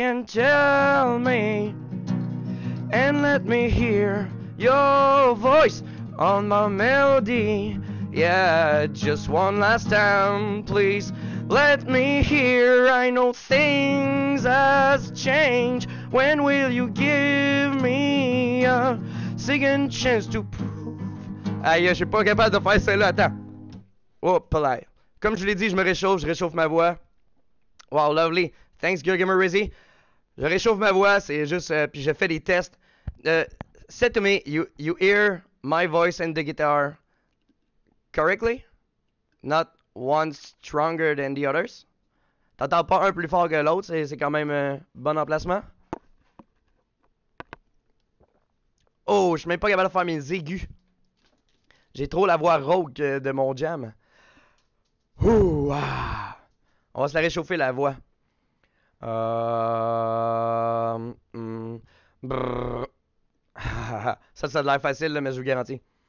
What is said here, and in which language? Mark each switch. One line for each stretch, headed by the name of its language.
English: And tell me and let me hear your voice on my melody. Yeah, just one last time, please let me hear. I know things has changed. When will you give me a second chance to prove?
French: Aïe, je suis pas capable de faire celle-là, attends.
English: Oh, play.
French: Comme je l'ai dit, je réchauffe ma voix.
English: Wow, lovely. Thanks,
French: Gurgamer Rizzy. Je réchauffe ma voix, c'est juste, puis je fais des tests.
English: Say to me, you hear my voice and the guitar correctly? Not... One stronger than the others.
French: T'entends pas un plus fort que l'autre, c'est quand même bon emplacement. Oh, je suis même pas capable de faire mes aigus. J'ai trop la voix rauque de mon jam. Ouh, ah. On va se la réchauffer la voix. Ça a l'air facile, là, mais je vous garantis.